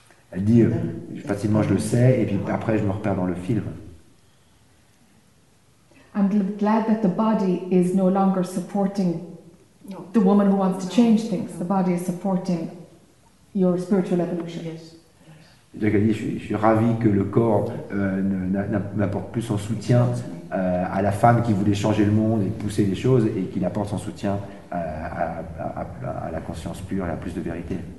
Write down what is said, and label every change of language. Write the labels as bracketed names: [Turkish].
[French] Elle dit, facilement je le sais, et puis après je me repère dans le film. [English] I'm glad that the body is no longer supporting the woman who wants to change things. The body is supporting your spiritual evolution. Yes. [French] Donc elle dit, je suis ravi que le corps n'apporte plus son soutien à la femme qui voulait changer le monde et pousser les choses, et qu'il apporte son soutien à la conscience pure et à plus de vérité.